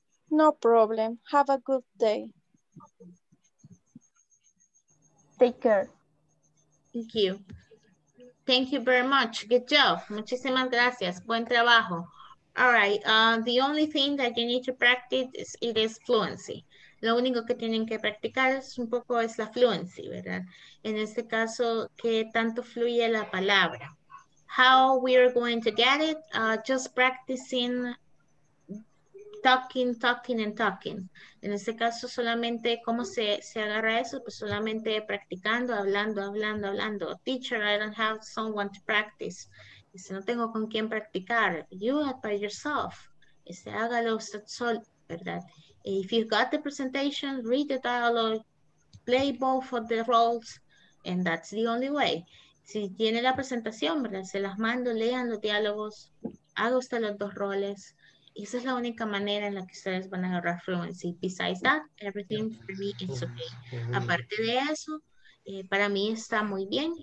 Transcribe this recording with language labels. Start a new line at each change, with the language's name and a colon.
English: No problem. Have a good day. Take care. Thank you. Thank you very much. Good job.
Spanish: Muchísimas gracias. Buen trabajo. All right.
English: The only thing that you need to practice is fluency.
Spanish: Lo único que tienen que practicar es un poco es la fluency, ¿verdad? En este caso, ¿qué tanto fluye la palabra?
English: How we are going to get it, just practicing talking.
Spanish: En este caso, solamente, ¿cómo se agarra eso? Pues solamente practicando, hablando.
English: Teacher, I don't have someone to practice.
Spanish: Dice, no tengo con quién practicar.
English: You have by yourself.
Spanish: Dice, hágalo usted solo, ¿verdad?
English: If you've got the presentation, read the dialogue, play both of the roles, and that's the only way.
Spanish: Si tiene la presentación, ¿verdad? Se las mando, lean los diálogos, haga usted los dos roles. Y esa es la única manera en la que ustedes van a agarrar fluency.
English: Besides that, everything for me is okay.
Spanish: Aparte de eso, para mí está muy bien.